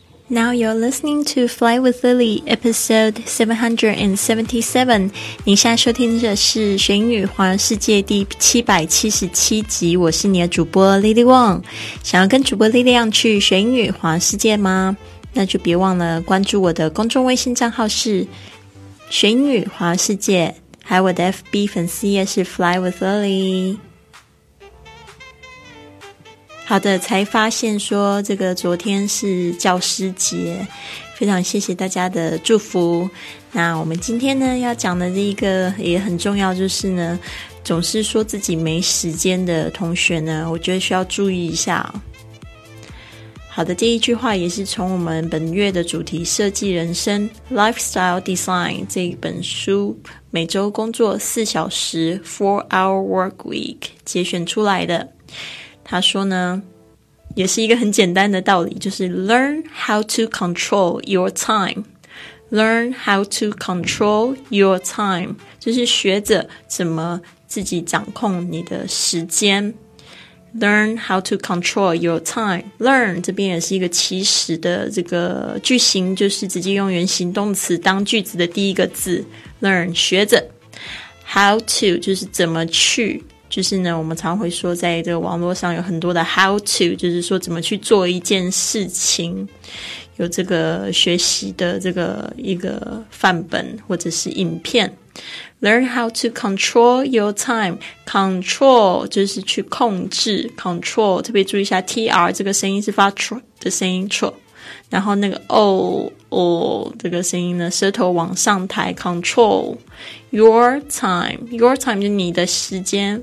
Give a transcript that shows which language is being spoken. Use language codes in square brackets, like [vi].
[en] Now you're listening to Fly with Lily, episode 777. [zh] 您现在收听的是学英语环游世界第777集，我是你的主播 Lily Wong。想要跟主播 Lily Wong 去学英语环游世界吗？那就别忘了关注我的公众微信账号是学英语环游世界，还有我的 FB 粉丝页是 Fly with Lily。好的，才发现说这个昨天是教师节，非常谢谢大家的祝福。那我们今天呢要讲的这一个也很重要，就是呢总是说自己没时间的同学呢，我觉得需要注意一下。好的，这一句话也是从我们本月的主题设计人生 Lifestyle Design 这一本书每周工作四小时 4-hour work week 节选出来的。他说呢，也是一个很简单的道理，就是 [en] learn how to control your time. Learn how to control your time. [zh] 就是学着怎么自己掌控你的时间。 [en] Learn how to control your time. [zh] Learn 这边也是一个祈使的这个句型，就是直接用原形动词当句子的第一个字。Learn 学着。 How to 就是怎么去。就是呢我们常会说在这个网络上有很多的 how to， 就是说怎么去做一件事情，有这个学习的这个一个范本或者是影片。 [en] Learn how to control your time. [zh] Control 就是去控制， control 特别注意一下 TR 这个声音是发 tr 的声音 tr， 然后那个 o 这个声音呢舌头往上抬。 [en] controlYour time. Your time [zh] 就是你的时间。